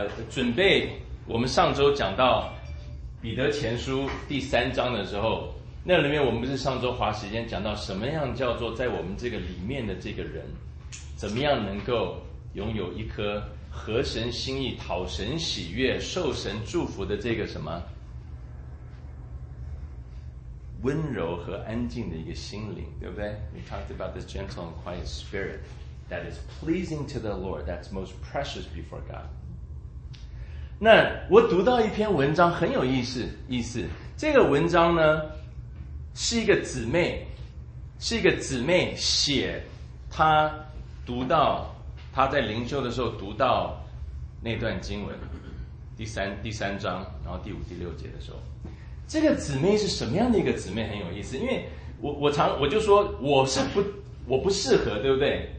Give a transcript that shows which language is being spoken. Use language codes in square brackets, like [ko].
[zh] 准备我们上周讲到彼得前书第三章的时候，那里面我们不是上周花时间讲到什么样叫做在我们这个里面的这个人怎么样能够拥有一颗合神心意、讨神喜悦、受神祝福的这个什么温柔和安静的一个心灵，对不对？ [en] We talked about this gentle and quiet spirit that is pleasing to the Lord, that's most precious before God. [zh] 那我读到一篇文章很有意思，这个文章呢是一个姊妹写她读到他在灵修的时候读到那段经文，第三章，然后第五、第六节的时候，这个姊妹是什么样的一个姊妹很有意思。因为我就说我不适合，对不对？